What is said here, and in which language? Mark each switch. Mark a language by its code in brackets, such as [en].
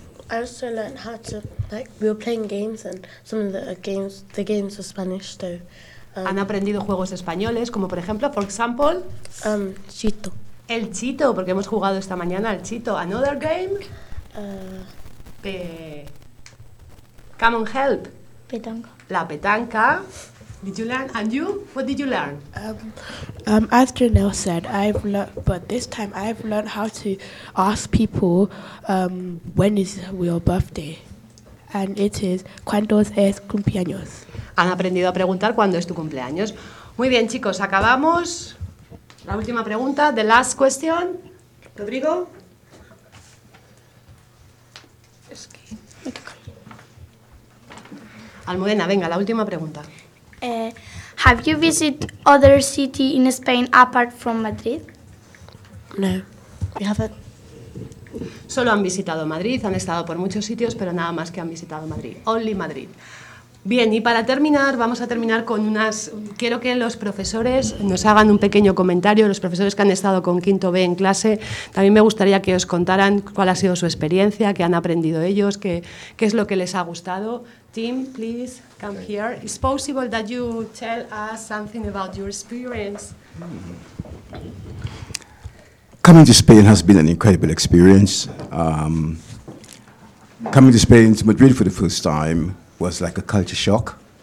[en] I also learned how to, we were playing games and some of the games were Spanish too. [es] Han aprendido juegos españoles, como por ejemplo, [en] for example? [es] Chito. El Chito, porque hemos jugado esta mañana al Chito. [en] Another game? Come on, help. [es] Petanco. La petanca. [en] Did you learn? And you? What did you learn? As Janelle said, I've learned how to ask people when is your birthday, and it is [es] ¿cuántos es cumpleaños? Han aprendido a preguntar cuándo es tu cumpleaños. Muy bien, chicos. Acabamos. La última pregunta. [en] The last question. Rodrigo. [es] Es que. Almudena, venga, la última pregunta. [en] Have you visited other cities in Spain apart from Madrid? No, we haven't. [es] Solo han visitado Madrid, han estado por muchos sitios, pero nada más que han visitado Madrid. [en] Only Madrid. [es] Bien, y para terminar, vamos a terminar con unas... Quiero que los profesores nos hagan un pequeño comentario, los profesores que han estado con Quinto B en clase. También me gustaría que os contaran cuál ha sido su experiencia, qué han aprendido ellos, qué es lo que les ha gustado. [en] Tim, please come here. Is possible that you tell us something about your experience? Coming to Spain has been an incredible experience. Coming to Spain, to Madrid for the first time, was like a culture shock.